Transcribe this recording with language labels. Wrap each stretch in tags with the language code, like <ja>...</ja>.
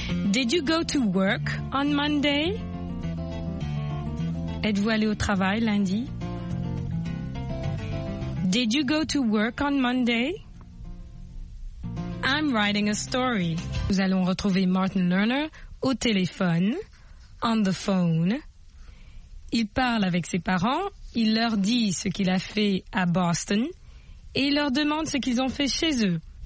<en>Did you go to work on Monday?</en> <fr>Êtes-vous allé au travail lundi?</fr> <en>Did you go to work on Monday? I'm writing a story.</en> <fr>Nous allons retrouver Martin Lerner au téléphone,</fr> <en>on the phone.</en> <fr>Il parle avec ses parents, il leur dit ce qu'il a fait à Boston et il leur demande ce qu'ils ont fait chez eux.</fr>